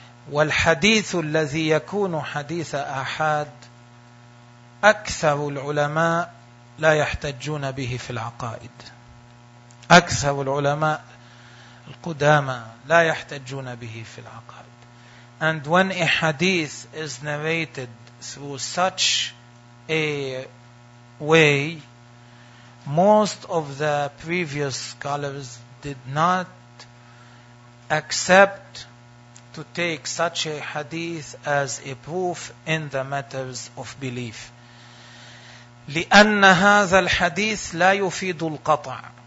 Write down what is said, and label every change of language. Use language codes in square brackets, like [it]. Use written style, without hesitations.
[ar] والحديث الذي يكون حديث أحد أكثر العلماء لا يحتجون به في العقائد. أكثر العلماء القدامى لا يحتجون به في العقائد. [en] And when a hadith is narrated through such a way, most of the previous scholars did not accept to take such a hadith as a proof in the matters of belief. [ar] لأن هذا الحديث لا يفيد القطع.